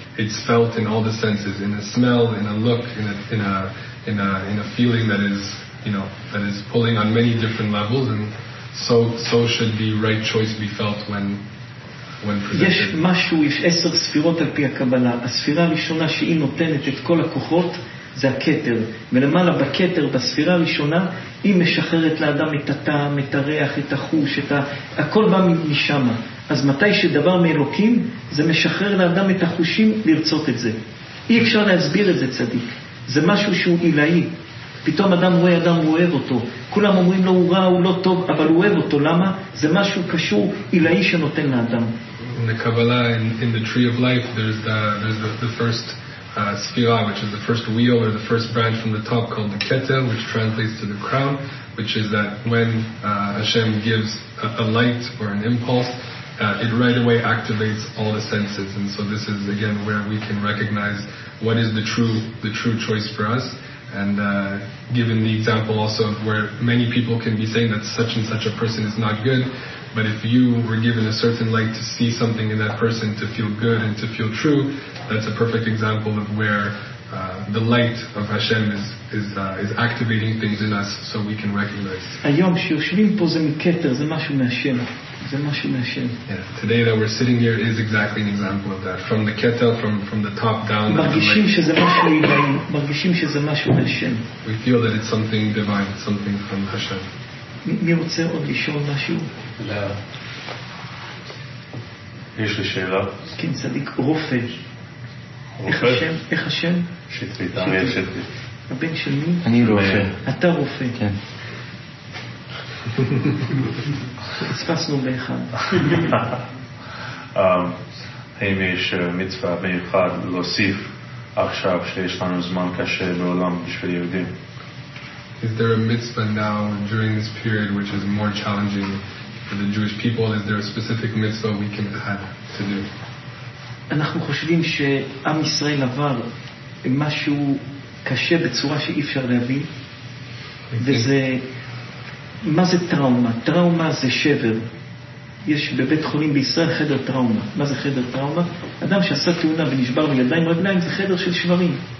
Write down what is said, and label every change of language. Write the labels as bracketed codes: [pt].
[en] it's felt in all the senses, in a smell, in a look, in a feeling that is, you know, that is pulling on many different levels, and so should the right choice be felt when presented. [he] יש משהו, יש 10 ספירות על פי הקבלה. הספירה הראשונה שהיא נותנת את כל הכוחות זה הכתר. מלמעלה בכתר, בספירה הראשונה, היא משחררת לאדם את הטעם, את הריח, את החוש, את הכל בא משם. אז מתי שדבר מאלוקים, זה משחרר לאדם את החושים לרצות את זה. אי אפשר להסביר את זה, צדיק. זה משהו שהוא עילאי. פתאום אדם רואה אדם, הוא אוהב אותו. כולם אומרים לו, הוא רע, הוא לא טוב, אבל הוא אוהב אותו. למה? זה משהו קשור עילאי שנותן לאדם. [en] In the Kabbalah, in the tree of life, there's the first Sfira, which is the first wheel or the first branch from the top called the Keter, which translates to the crown, which is that when Hashem gives a light or an impulse, it right away activates all the senses. And so this is again where we can recognize what is the true choice for us. And given the example also of where many people can be saying that such and such a person is not good, but if you were given a certain light to see something in that person, to feel good and to feel true, that's a perfect example of where the light of Hashem is activating things in us so we can recognize. [he] היום שיושבים פה זה מכתר, זה משהו מהשם. זה משהו מהשם. [en] Yeah, today that we're sitting here is exactly an example of that. From the ketel, from the top down. [he] מרגישים שזה משהו עילאי, מרגישים שזה משהו מהשם. [en] We feel that it's something divine, something from Hashem. [he] מי רוצה עוד לשאול משהו? יש לי שאלה. כן, צדיק, רופא. איך השם? שטרית. הבן של מי? אני רופא. אתה רופא. כן. הספסנו באחד. האם יש מצווה מיוחד להוסיף עכשיו שיש לנו זמן קשה בעולם בשביל יהודים? [en] Is there a mitzvah now during this period which is more challenging for the Jewish people? Is there a specific mitzvah we can add to do? [he] אנחנו חושבים שעם ישראל עבר משהו קשה בצורה שאי אפשר להבין. וזה, מה זה טראומה? טראומה זה שבר. יש בבית חולים בישראל חדר טראומה. מה זה חדר טראומה? אדם שעשה תאונה ונשבר בידיים רגליים, זה חדר של שברים.